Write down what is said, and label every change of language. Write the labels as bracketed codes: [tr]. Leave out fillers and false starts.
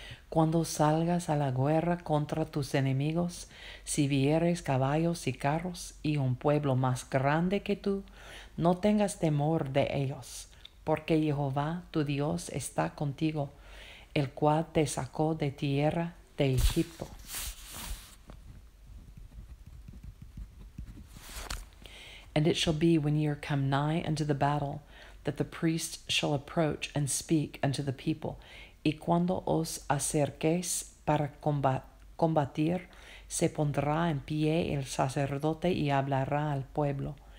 [es] Cuando salgas a la guerra contra tus enemigos, si vieres caballos y carros y un pueblo más grande que tú, no tengas temor de ellos, porque Jehová tu Dios está contigo, el cual te sacó de tierra de Egipto. [en] And it shall be when ye are come nigh unto the battle, that the priest shall approach and speak unto the people. [es] Y cuando os acerquéis para combatir, se pondrá en pie el sacerdote y hablará al pueblo.